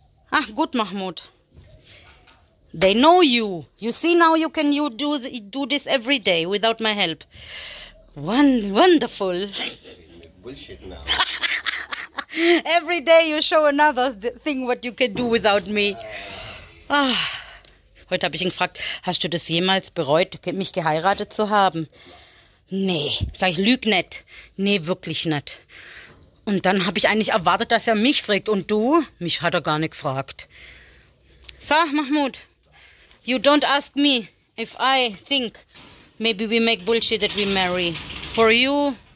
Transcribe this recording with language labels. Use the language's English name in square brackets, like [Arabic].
[English] Ah, gut, Mahmoud. They know you. You see now you can you do this every day without my help. Wonderful. Bullshit now. Every day you show another thing what you can do without me. Oh. [German] Heute habe ich ihn gefragt, hast du das jemals bereut, mich geheiratet zu haben? Nee, sag ich, lüg nicht. Nee, wirklich nicht. Und dann habe ich eigentlich erwartet, dass er mich fragt. Und du? Mich hat er gar nicht gefragt. [English] Sag, Mahmoud, you don't ask me if I think maybe we make bullshit that we marry. For you,